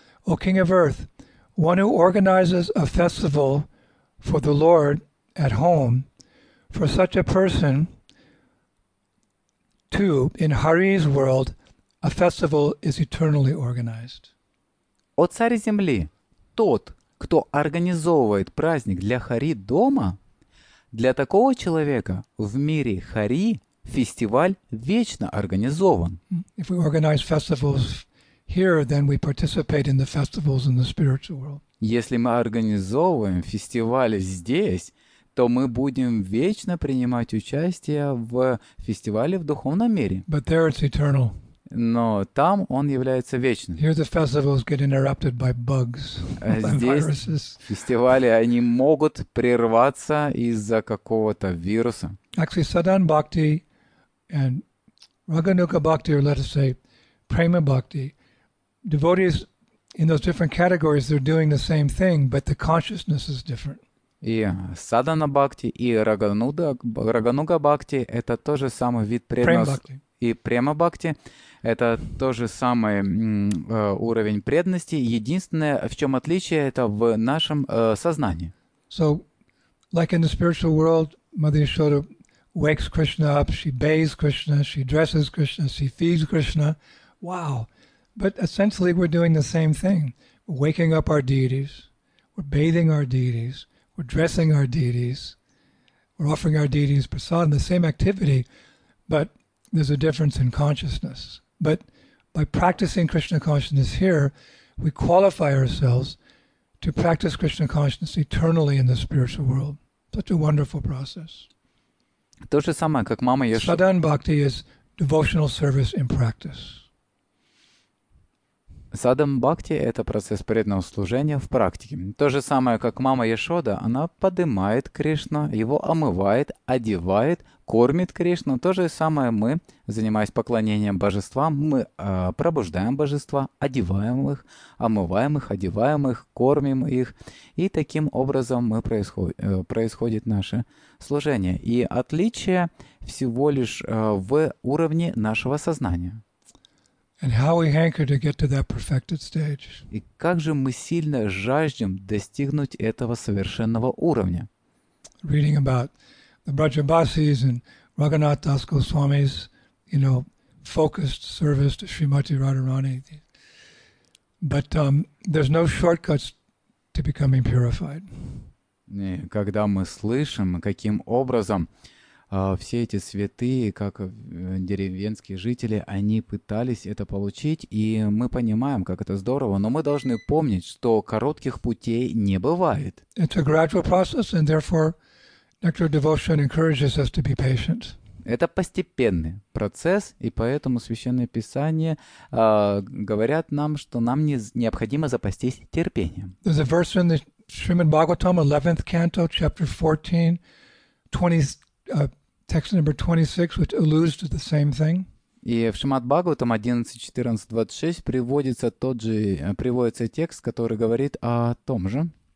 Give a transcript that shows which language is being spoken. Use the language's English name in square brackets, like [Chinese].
[English] O King of Earth, one who organizes a festival for the Lord at home, for such a person, too, in Hari's world, a festival is eternally organized. [Russian] О царе земли, тот, кто организовывает праздник для Хари дома, для такого человека в мире Хари фестиваль вечно организован. [English] If we organize festivals here, then we participate in the festivals in the spiritual world. [Russian] Если мы организовываем фестивали здесь, то мы будем вечно принимать участие в фестивале в духовном мире. [English] But there it's eternal. [Russian] Но там он является вечным. [English] Here the festivals get interrupted by bugs, [Russian] здесь [English] by viruses. [Russian] Фестивали, они могут прерваться из-за какого-то вируса. [English] Actually, Sadhan Bhakti and Raghunuka Bhakti, or let us say, Prema Bhakti, devotees in those different categories, they're doing the same thing, but the consciousness is different. [Russian] И Sadhana Bhakti и Raghunuka Bhakti — это тот же самый вид преданности. И према бхакти — это то же самое уровень преданности. Единственное, в чем отличие, это в нашем сознании. [English] So, like in the spiritual world, Mother Yashoda wakes Krishna up, she bathes Krishna, she dresses Krishna, she feeds Krishna. Wow! But essentially, we're doing the same thing. We're waking up our deities, we're bathing our deities, we're dressing our deities, we're offering our deities prasadam, the same activity, but there's a difference in consciousness. But by practicing Krishna consciousness here, we qualify ourselves to practice Krishna consciousness eternally in the spiritual world. Such a wonderful process. [Russian] То же самое, как мама Яшода. [English] Sadhan bhakti is devotional service in practice. [Russian] Sadhan bhakti – это процесс преданного служения в практике. То же самое, как мама Яшода, она поднимает Кришну, его омывает, одевает, кормит Кришну. То же самое мы, занимаясь поклонением божествам, мы пробуждаем божества, одеваем их, омываем их, одеваем их, кормим их. И таким образом мы происходит наше служение. И отличие всего лишь в уровне нашего сознания. [English] And how we hanker to get to that perfected stage. [Russian] И как же мы сильно жаждем достигнуть этого совершенного уровня. [English] Reading about the Brajabasis and Raghunath Das Goswami's, you know, focused service to Srimati Radharani. But there's no shortcuts to becoming purified. [Russian] И когда мы слышим, каким образом все эти святые, как деревенские жители, они пытались это получить, и мы понимаем, как это здорово, но мы должны помнить, что коротких путей не бывает. [English] It's a gradual process, and therefore, nectar devotion encourages us to be patient. [Russian] Это постепенный процесс, и поэтому Священное Писание говорят нам, что нам необходимо запастись терпением. [English] There's a verse in the Srimad Bhagavatam, 11th canto, chapter 14, text number 26, which alludes to the same thing. [Russian] И в Шримад-Бхагаватам 11.14.26 приводится тот же, приводится текст, который говорит о том же.